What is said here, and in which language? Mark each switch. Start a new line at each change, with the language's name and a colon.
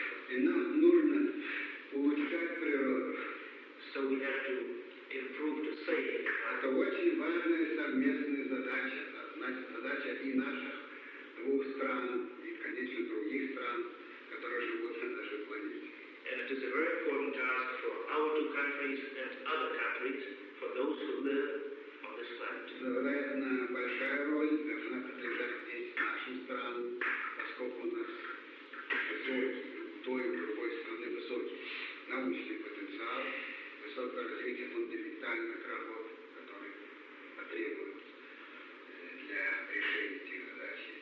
Russian: И нам нужно улучшать природу.
English: So we have to improve the same.
Russian: Это очень важная совместная задача, значит, задача и наша. Двух стран и, конечно, других стран, которые живут на нашей планете.
English: And it is a very important task for our two countries and other countries, for those who live on this planet.
Russian: Вероятно, большая роль должна принадлежать здесь нашим странам, поскольку у нас высокий, той и другой страны высокий научный потенциал, высокое развитие фундаментальных работ, которые потребуют для решения этих задач.